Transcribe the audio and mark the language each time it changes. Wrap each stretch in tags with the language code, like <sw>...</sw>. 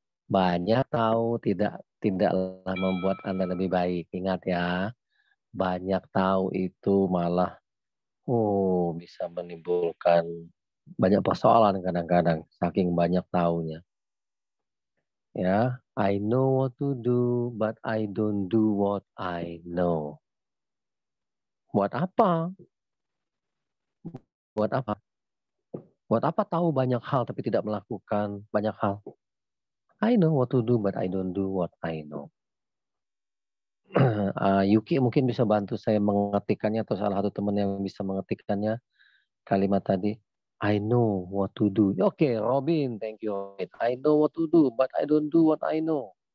<id>Banyak tahu tidaklah membuat Anda lebih baik. Ingat ya. Banyak tahu itu malah bisa menimbulkan banyak persoalan kadang-kadang saking banyak tahunya.</id> <en>Ya, I know what to do but I don't do what I know.</en> <id>Buat apa? Buat apa? Buat apa tahu banyak hal tapi tidak melakukan banyak hal?</id> <en>I know what to do but I don't do what I know.</en> <id>Yuki mungkin bisa bantu saya mengetikkannya atau salah satu teman yang bisa mengetikkannya kalimat tadi.</id> <en>I know what to do. Oke, Robin, thank you. I know what to do, but I don't do what I know.</en>